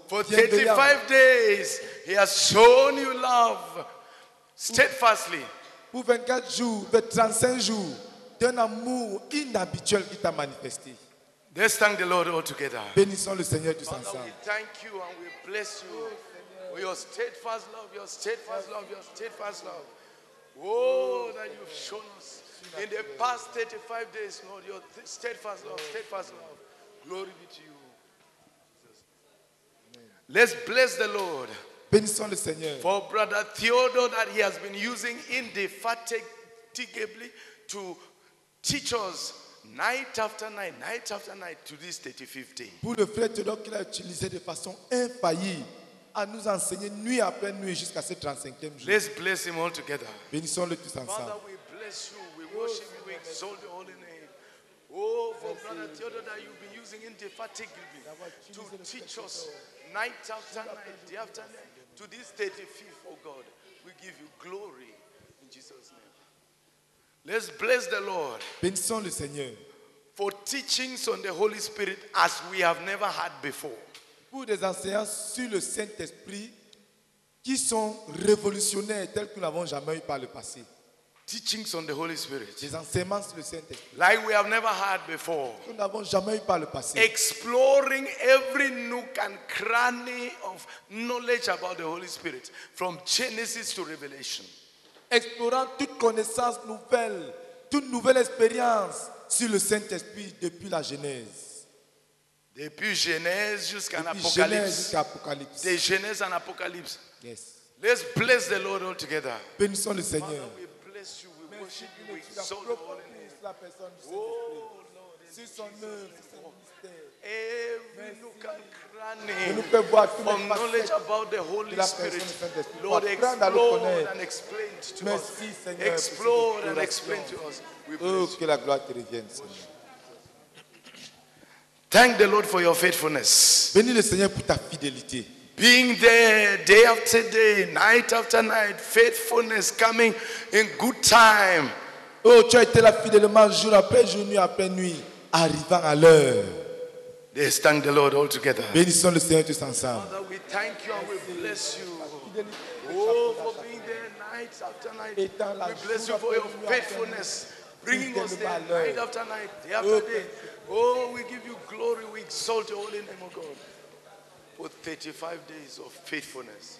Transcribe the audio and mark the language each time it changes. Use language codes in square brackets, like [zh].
[en] For 35 days, he has shown you love steadfastly. [fr] Pour 24 jours, de 35 jours, d'un amour inhabituel qui t'a manifesté. [en] Let's thank the Lord all together. [fr] Bénissons le Seigneur tous ensemble. [en] We thank you and we bless you. Your steadfast love, your steadfast love, your steadfast love. Oh, that you've shown us in the past 35 days, Lord, your steadfast love, steadfast love. Glory be to you. Let's bless the Lord. [fr] Bénissons le Seigneur. [en] For Brother Theodore that he has been using indefatigably to teach us night after night to this 35th day. [fr] Pour le frère Theodore qu'il a utilisé de façon infaillible. À nous enseigner nuit après nuit jusqu'à ce 35e jour. [en] Let's bless him all together. [fr] Bénissons-le tous ensemble. [en] Father, we bless you, we worship you, we exalt your holy name. Oh, for Brother Theodore, that you've been using indefatigably to teach us night after night, day after night, to this 35th, oh God. We give you glory in Jesus' name. Let's bless the Lord. [fr] Bénissons le Seigneur. [en] For teachings on the Holy Spirit as we have never had before. [fr] Pour des enseignants sur le Saint-Esprit qui sont révolutionnaires tels que nous n'avons jamais eu par le passé. [en] Teachings on the Holy Spirit. [fr] Des enseignements sur le Saint-Esprit. [en] Like we have never had before. [fr] Que nous n'avons jamais eu par le passé. [en] Exploring every nook and cranny of knowledge about the Holy Spirit from Genesis to Revelation. [fr] Explorant toute connaissance nouvelle, toute nouvelle expérience sur le Saint-Esprit depuis la Genèse. Depuis Genèse jusqu'à Apocalypse. De Genèse en Apocalypse. [en] Yes. Let's bless the Lord all together. [fr] Bénissons le Seigneur. [en] Father, we bless you, we worship you, we exalt your holy name. Oh Lord, [fr] sur son œuvre, sur son mystère. [en] Every nook and cranny from knowledge about the Holy Spirit. Lord, explore and explain to us. Explore and explain to us. We bless you. [fr] Oh, que la gloire te revienne, Seigneur. [en] Thank the Lord for your faithfulness. [fr] Bénis le Seigneur pour ta fidélité. [en] Being there day after day, night after night, faithfulness coming in good time. [fr] Oh, tu as été là fidèlement jour après jour, nuit après nuit, arrivant à l'heure. [en] Yes, thank the Lord all together. [fr] Bénissons le Seigneur tous ensemble. [en] Father, we thank you and we bless you. Oh, for being there night after night. We bless you for your faithfulness. Bringing us there night after night, day after day. Oh, we give you glory, we exalt your holy name, oh God. For 35 days of faithfulness.